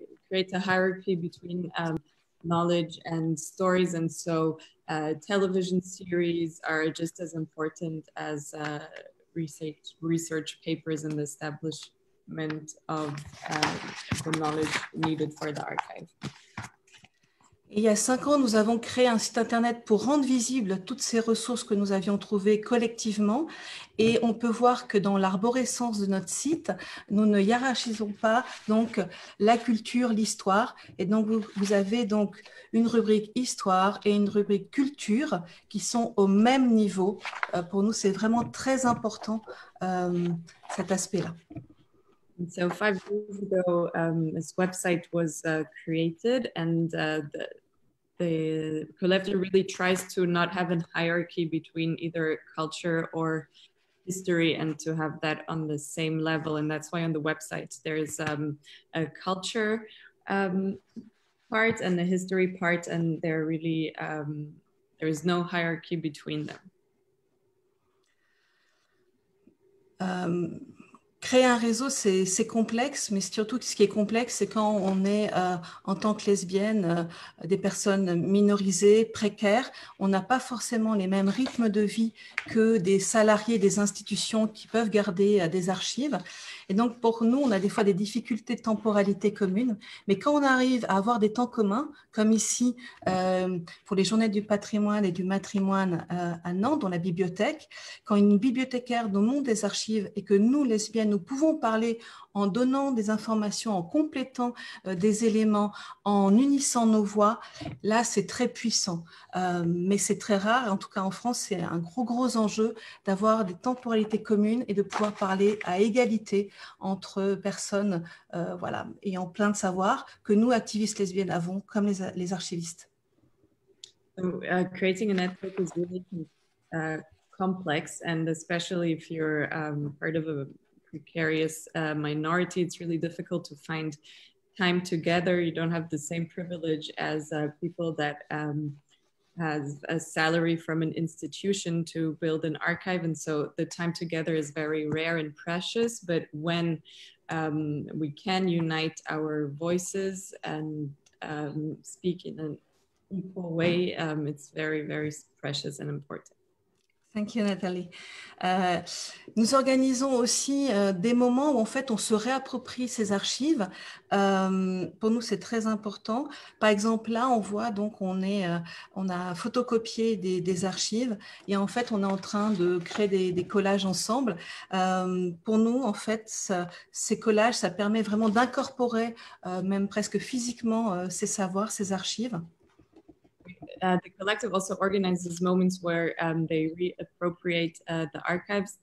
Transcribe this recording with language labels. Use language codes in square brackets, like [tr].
[en] Create a hierarchy between knowledge and stories, and so television series are just as important as research papers in the establishment of the knowledge needed for the archive. [fr] Il y a 5 ans, nous avons créé un site internet pour rendre visibles toutes ces ressources que nous avions trouvées collectivement. Et on peut voir que dans l'arborescence de notre site, nous ne hiérarchisons pas donc, la culture, l'histoire. Et donc, vous avez donc une rubrique histoire et une rubrique culture qui sont au même niveau. Pour nous, c'est vraiment très important cet aspect-là. [en] So 5 years ago, this website was created, and the collector really tries to not have a hierarchy between either culture or history, and to have that on the same level. And that's why on the website there is a culture part and a history part, and they're really there is no hierarchy between them. [fr] Créer un réseau, c'est complexe, mais surtout ce qui est complexe, c'est quand on est en tant que lesbienne, des personnes minorisées, précaires, on n'a pas forcément les mêmes rythmes de vie que des salariés, des institutions qui peuvent garder des archives. Et donc pour nous, on a des fois des difficultés de temporalité communes, mais quand on arrive à avoir des temps communs, comme ici pour les journées du patrimoine et du matrimoine à Nantes, dans la bibliothèque, quand une bibliothécaire nous montre des archives et que nous, lesbiennes, nous pouvons parler en donnant des informations, en complétant des éléments, en unissant nos voix, là c'est très puissant, mais c'est très rare, en tout cas en France c'est un gros enjeu d'avoir des temporalités communes et de pouvoir parler à égalité entre personnes voilà, ayant plein de savoirs que nous, activistes lesbiennes, avons, comme les archivistes. [en] So, creating a network is really complex, and especially if you're part of a precarious minority, it's really difficult to find time together. You don't have the same privilege as people that have a salary from an institution to build an archive. And so the time together is very rare and precious. But when we can unite our voices and speak in an equal way, it's very, very precious and important. Thank you, Nathalie. [fr] Nous organisons aussi des moments où, en fait, on se réapproprie ces archives. Pour nous, c'est très important. Par exemple, là, on voit, donc, on a photocopié des archives et, en fait, on est en train de créer des collages ensemble. Pour nous, en fait, ces collages, ça permet vraiment d'incorporer, même presque physiquement, ces savoirs, ces archives. [en] The collective also organizes moments where they reappropriate the archives.